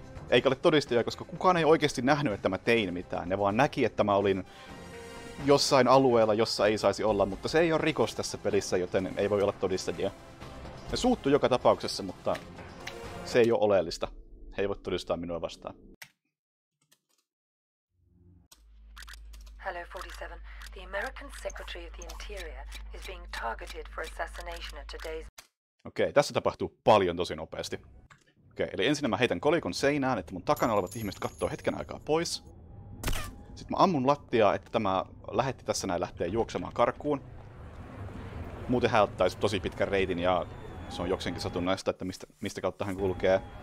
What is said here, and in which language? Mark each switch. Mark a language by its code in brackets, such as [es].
[fi] Eikä ole todistajia, koska kukaan ei oikeasti nähnyt, että mä tein mitään. Ne vaan näki, että mä olin jossain alueella, jossa ei saisi olla, mutta se ei ole rikos tässä pelissä, joten ei voi olla todistajia. Ne suuttu joka tapauksessa, mutta se ei ole oleellista. He ei voi todistaa minua vastaan. [en] Hello 47. The American Secretary of the Interior is being targeted for assassination at today's... [fi] Okei, tässä tapahtuu paljon tosi nopeasti. Okei, eli ensin mä heitän kolikon seinään, että mun takana olevat ihmiset kattoo hetken aikaa pois. Sitten mä ammun lattiaa, että tämä lähetti tässä näin lähtee juoksemaan karkuun. Muuten hän ottaisi tosi pitkän reitin ja se on jokseenkin satunnaista, että mistä kautta hän kulkee.